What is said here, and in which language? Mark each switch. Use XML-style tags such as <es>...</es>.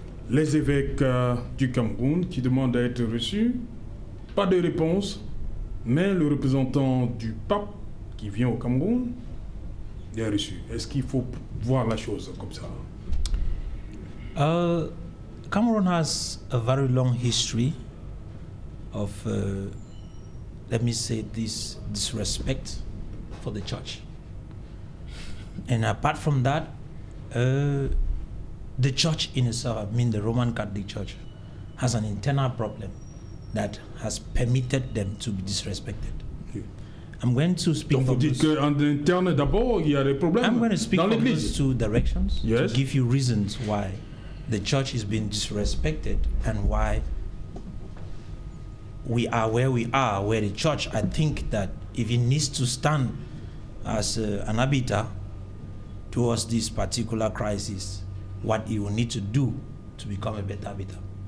<fr>Les évêques du Cameroun qui demandent à être reçus. Pas de réponse. Mais le représentant du pape qui vient au Cameroun est reçu. Est-ce qu'il faut voir la chose comme ça?</fr> <en>Cameroun has a very long history of, let me say this, disrespect for the church. And apart from that, the church in itself, I mean the Roman Catholic Church, has an internal problem that has permitted them to be disrespected. Okay. I'm going to speak</en> <fr>Donc vous dites que en interne d'abord, il y a des problèmes.</fr> <en>I'm going to speak</en> <fr>dans</fr> <en>from those two directions to give you reasons why the church is being disrespected and why we are where we are, where the church, I think that if it needs to stand as an arbiter towards this particular crisis, what it will need to do to become a better arbiter.</en>